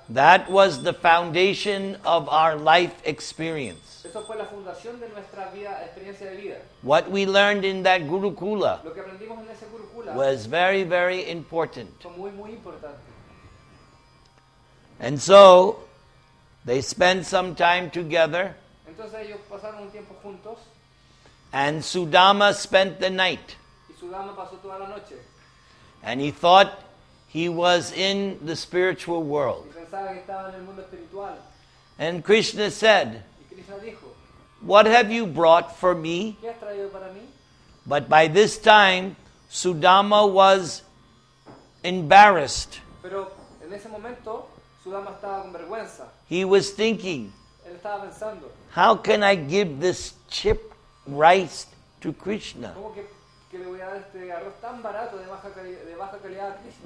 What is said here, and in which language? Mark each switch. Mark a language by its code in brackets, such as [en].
[en] that was the foundation of our life experience. [es] Eso fue la fundación de nuestra vida, experiencia de vida. [en] What we learned in that Gurukula, [es] lo que aprendimos en ese Gurukula [en] was very, very important. [es] Fue muy, muy importante. [en] And so, they spent some time together. [es] Entonces ellos pasaron un tiempo juntos. [en] And Sudama spent the night. [es] Sudama pasó toda la noche. [en] And he thought he was in the spiritual world. [es] Y pensaba que estaba en el mundo espiritual. [en] And Krishna said, [es] y Krishna dijo, [en] what have you brought for me? [es] ¿Qué has traído para mí? [en] But by this time, Sudama was embarrassed. [es] Pero en ese momento, Sudama estaba con vergüenza. [en] He was thinking, [es] él estaba pensando, [en] how can I give this chip rice to Krishna? [es] ¿Cómo que le voy a dar este arroz tan barato de baja calidad a Krishna?